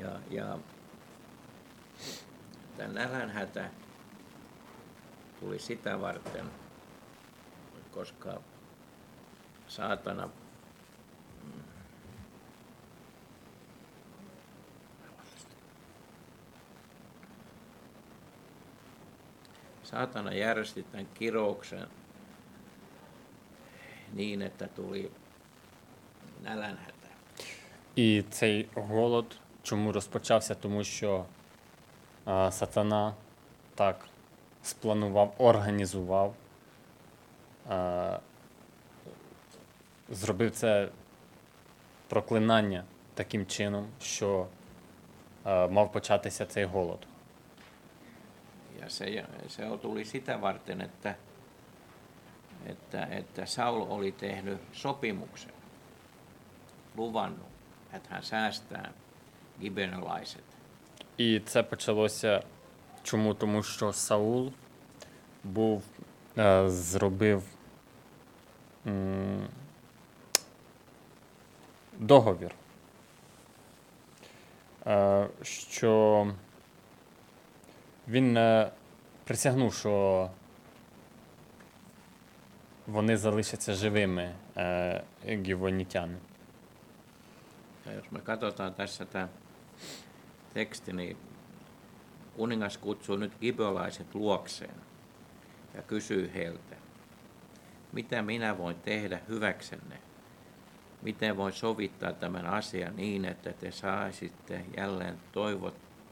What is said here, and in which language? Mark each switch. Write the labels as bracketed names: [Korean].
[Finnish] Ja tämä nälänhätä tuli sitä varten, koska saatana järjesti tämän kirouksen niin, että tuli nälänhätä. [Ukrainian] І цей голод чому розпочався? Тому що сатана так спланував, організував, зробив це проклинання таким чином, що мав початися цей голод. [Finnish] Ja se tuli sitä varten, että Saul oli tehnyt sopimuksen, luvannut, että hän säästää gibeonolaiset. [Ukrainian] І це почалося чому? Тому що Саул був зробив договір, що він присягнув, що вони залишаться живими, гівонітяни. Якщо ми [Finnish] katsotaan tässä tämä teksti, niin kuningas kutsui nyt gibeonolaiset luokseen ja kysyi heiltä: mitä minä voin tehdä hyväksenne? miten voi sovittaa tämän asian niin, että te saisitte jälleen toivot...